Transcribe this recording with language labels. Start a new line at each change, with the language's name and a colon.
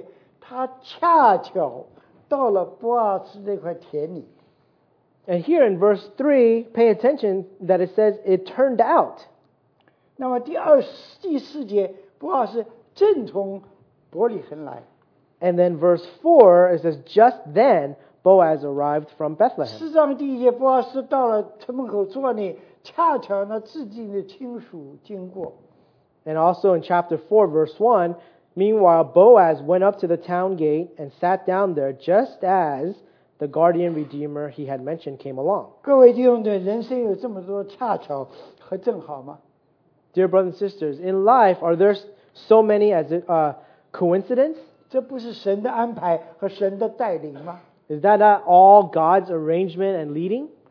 Chinese: 那个这个这一段，我们特别要请你看一个地方，二章三节，他恰巧。
English: And here in verse 3, pay attention that it says it turned out.
Chinese: 那么第四节,博阿斯正从伯利恒来。
English: And then verse 4, it says just then Boaz arrived from Bethlehem.
Chinese: 四章第一节,博阿斯到了城门口坐那里,恰巧那致敬的亲属经过。
English: And also in chapter 4, verse 1, meanwhile, Boaz went up to the town gate and sat down there just as the guardian redeemer he had mentioned came along.
Chinese: 各位弟兄们，人生有这么多恰巧和正好吗？
English: Dear brothers and sisters, in life, are there so many as a coincidence?
Chinese: 这不是神的安排和神的带领吗？
English: Is that not all God's arrangement and leading?